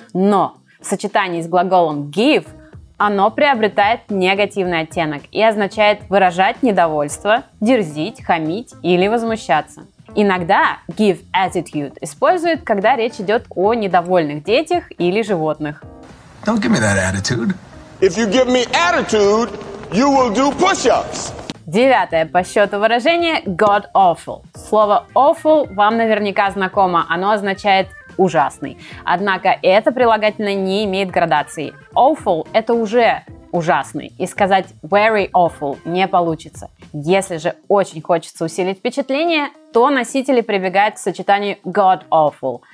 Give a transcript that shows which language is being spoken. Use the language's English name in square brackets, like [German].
[Russian] Но в сочетании с глаголом give оно приобретает негативный оттенок и означает выражать недовольство, дерзить, хамить или возмущаться. Иногда give attitude используют, когда речь идет о недовольных детях или животных. [English] Don't give me that attitude. If you give me attitude, you will do push-ups. [Russian] Девятое по счету выражение god awful. Слово awful вам наверняка знакомо, оно означает ужасный. Однако это прилагательное не имеет градации. Awful – это уже ужасный. И сказать [English] very awful [Russian] не получится. Если же очень хочется усилить впечатление, то носители прибегают к сочетанию god awful.